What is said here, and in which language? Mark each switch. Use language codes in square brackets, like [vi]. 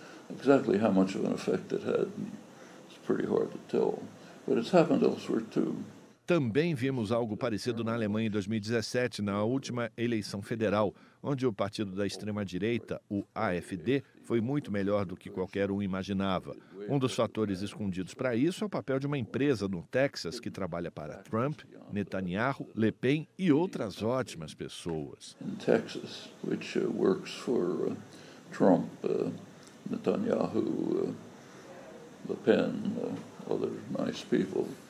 [en] Exactly how much of an effect it had, it's pretty hard to tell. But it's happened elsewhere too. [pt] Também vimos algo parecido na Alemanha em 2017, na última eleição federal, onde o partido da extrema-direita, o AfD, foi muito melhor do que qualquer um imaginava. Um dos fatores escondidos para isso é o papel de uma empresa no Texas que trabalha para Trump, Netanyahu, Le Pen e outras ótimas pessoas. [en] In Texas, which works for Trump, Netanyahu, Le Pen, other nice people.